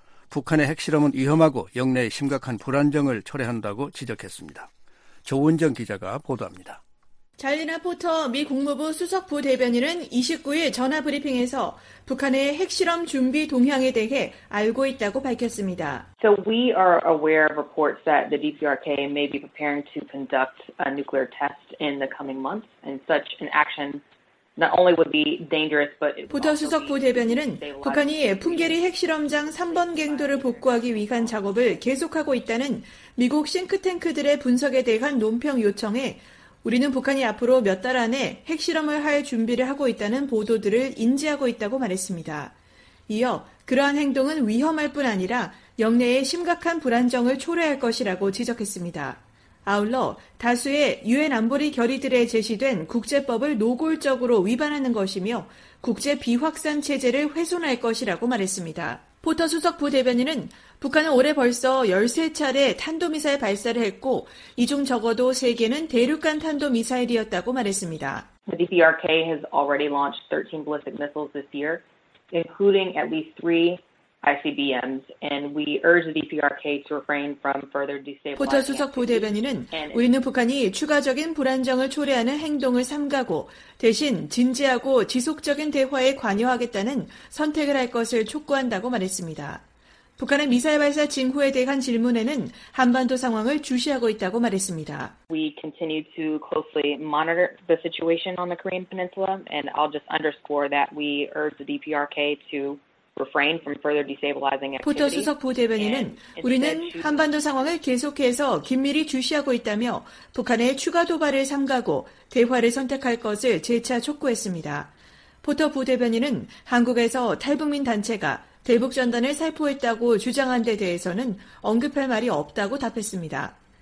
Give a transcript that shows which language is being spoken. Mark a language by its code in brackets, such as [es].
[ko] 북한의 핵실험은 위험하고 영내에 심각한 불안정을 초래한다고 지적했습니다. 조은정 기자가 보도합니다. 잘리나 포터 미 국무부 수석부 대변인은 29일 전화 브리핑에서 북한의 핵실험 준비 동향에 대해 알고 있다고 밝혔습니다. [en] So we are aware of reports that the DPRK may be preparing to conduct a nuclear test in the coming months and such an action not only would be dangerous but [ko] 포터 수석부 대변인은 북한이 풍계리 핵실험장 3번 갱도를 복구하기 위한 작업을 계속하고 있다는 미국 싱크탱크들의 분석에 대한 논평 요청에 우리는 북한이 앞으로 몇 달 안에 핵실험을 할 준비를 하고 있다는 보도들을 인지하고 있다고 말했습니다. 이어 그러한 행동은 위험할 뿐 아니라 영내에 심각한 불안정을 초래할 것이라고 지적했습니다. 아울러 다수의 유엔 안보리 결의들에 제시된 국제법을 노골적으로 위반하는 것이며 국제 비확산 체제를 훼손할 것이라고 말했습니다. 포터 수석 부대변인은 북한은 올해 벌써 13차례 탄도미사일 발사를 했고 이 중 적어도 3개는 대륙간 탄도미사일이었다고 말했습니다. [en] The DPRK has already launched 13 ballistic missiles this year, including at least 3 ICBMs, and we urge the DPRK to refrain from further destabilizing. [ko] 포터 수석 부대변인은 우리는 북한이 추가적인 불안정을 초래하는 행동을 삼가고 대신 진지하고 지속적인 대화에 관여하겠다는 선택을 할 것을 촉구한다고 말했습니다. 북한의 미사일 발사 징후에 대한 질문에는 한반도 상황을 주시하고 있다고 말했습니다. [en] We continue to closely monitor the situation on the Korean Peninsula, and I'll just underscore that we urge the DPRK to refrain from further destabilizing activity. [ko] 포터 수석 부대변인은 우리는 한반도 상황을 계속해서 긴밀히 주시하고 있다며 북한의 추가 도발을 삼가고 대화를 선택할 것을 재차 촉구했습니다. 포터 부대변인은 한국에서 탈북민 단체가 대북 전단을 살포했다고 주장한 데 대해서는 언급할 말이 없다고 답했습니다.